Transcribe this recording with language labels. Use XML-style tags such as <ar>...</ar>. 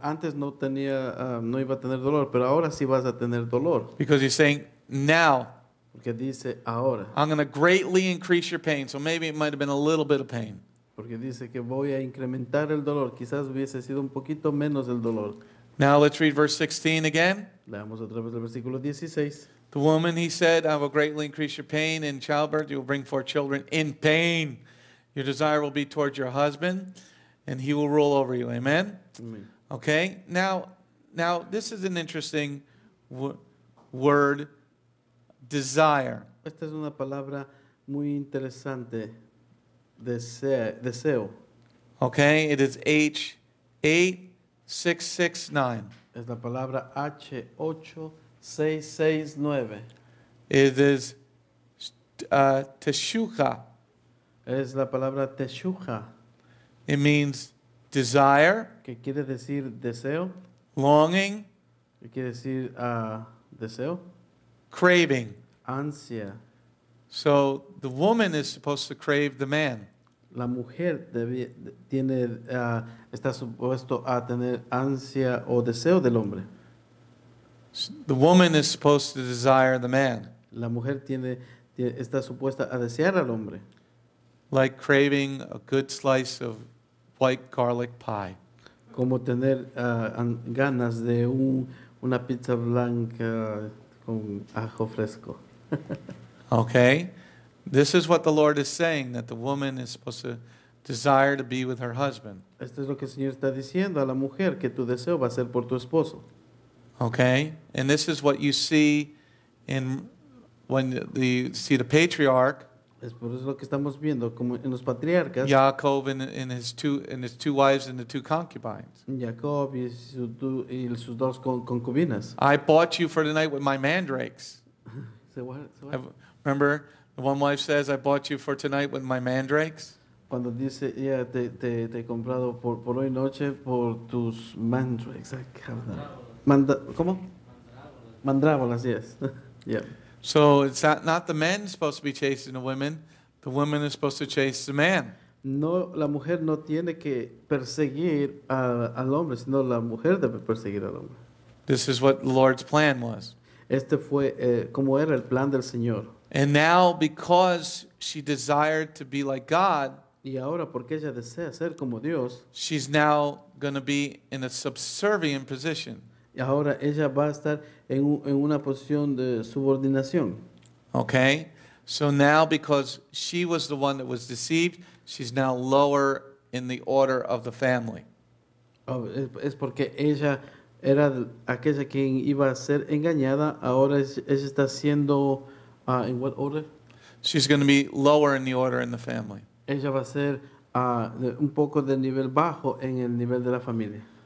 <es>Antes no tenía, no iba a tener dolor, pero ahora sí vas a tener dolor.</es> <en>Because he's saying now.</en> <es>Porque dice ahora.</es> <en>I'm going to greatly increase your pain. So maybe it might have been a little bit of pain.</en> <es>Porque dice que voy a incrementar el dolor. Quizás hubiese sido un poquito menos el dolor.</es> <en>Now let's read verse 16 again.</en> <es>Leamos otra vez el versículo 16.</es> <en>The woman, he said, I will greatly increase your pain in childbirth. You will bring forth children in pain. Your desire will be towards your husband, and he will rule over you. Amen? Amen. Okay. Now, this is an interesting word, desire.</en> <es>Esta es una palabra muy interesante, deseo.</es> <en>Okay. It is H8669.</en> <es>Es la palabra H8669. 669.</es> <en>It is teshucha.</en> <es>Es la palabra teshucha.</es> <en>It means desire.</en> <es>Que quiere decir deseo.</es> <en>Longing.</en> <es>Que quiere decir deseo.</es> <en>Craving.</en> <es>Ansia.</es> <en>So the woman is supposed to crave the man.</en> <es>La mujer está supuesto a tener ansia o deseo del hombre.</es> <en>The woman is supposed to desire the man.</en> <es>La mujer está supuesta a desear al hombre.</es> <en>Like craving a good slice of white garlic pie.</en> <es>Como tener ganas de una pizza blanca con ajo fresco.</es> <en>Okay. This is what the Lord is saying, that the woman is supposed to desire to be with her husband.</en> <es>Esto es lo que el Señor está diciendo a la mujer, que tu deseo va a ser por tu esposo.</es> <en>Okay, and this is what you see in when the see the patriarch.</en> <es>Es por eso lo que estamos viendo como en los patriarcas.</es> <en>Jacob and his two wives and the two concubines.</en> <es>Jacob y sus dos concubinas.</es> <en>I bought you for the night with my mandrakes. So what? Remember, the one wife says, "I bought you for tonight with my mandrakes."</en> <es>Cuando dice, yeah, te he comprado por hoy noche por tus mandrakes. ¿Cómo? Mandrávolas, yes. Yeah.</es> <en>So it's not the men supposed to be chasing the women are supposed to chase the man.</en> <es>No, la mujer no tiene que perseguir al hombre, sino la mujer debe perseguir al hombre.</es> <en>This is what the Lord's plan was.</en> <es>Este fue como era el plan del Señor.</es> <en>And now because she desired to be like God,</en> <es>y ahora porque ella desea ser como Dios,</es> <en>she's now going to be in a subservient position.</en> <es>Y ahora ella va a estar en una posición de subordinación.</es> <en>Okay. So now because she was the one that was deceived, she's now lower in the order of the family.</en> <es>Oh, es porque ella era aquella quien iba a ser engañada. Ahora ella está siendo,</es> <en>in what order? She's going to be lower in the order in the family.</en> <es>Ella va a ser un poco de nivel bajo en el nivel de la familia.</es>